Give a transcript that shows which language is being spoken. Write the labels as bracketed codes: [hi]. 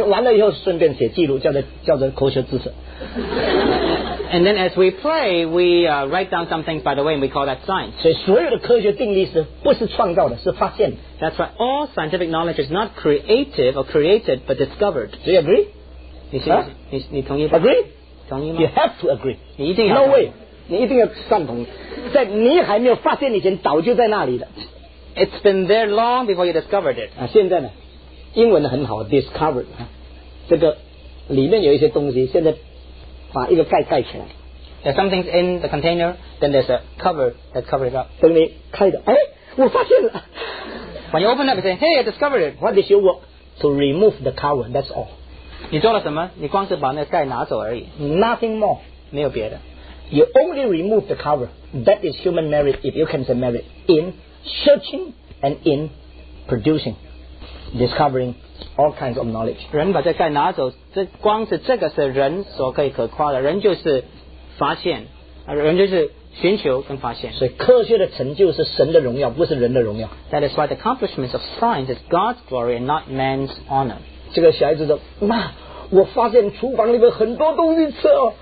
[zh] 玩了以后顺便写记录，叫做科学知识。 [en] And then as we play, we write down some things by the way, and we call that science. [zh] 所以所有的科学定律是不是创造的，是发现的。 [en] That's right. All scientific knowledge is not creative or created, but discovered. Do you agree? [zh] 你同意吗？ [en] Agree? [zh] 同意吗？ [en] You have to agree. [zh] 你一定要。 [en] No way. [zh] 你一定要赞同。在你还没有发现以前，早就在那里了。 [en] It's been there long before you discovered it. [zh] 啊，现在呢，英文很好 ，discovered 啊，这个里面有一些东西，现在把一个盖盖起来。 [en] There's something in the container, then there's a cover that covers it up. [zh] 等你开的，哎，我发现了。 [en] When you open up, you say, "Hey, I discovered it." What did you work to remove the cover? That's all. [zh] 你做了什么？你光是把那个盖拿走而已。 [en] Nothing more. [zh] 没有别的。 [en] You only remove the cover. That is human merit, if you can say merit, in searching and in producing, discovering all kinds of knowledge. [zh] 人把这盖拿走，这光是这个是人所可以可夸的。人就是发现，人就是寻求跟发现。所以科学的成就是神的荣耀，不是人的荣耀。 [en] That is why the accomplishments of science is God's glory and not man's honor. [zh] 这个小孩子说，妈，我发现厨房里面很多东西吃哦。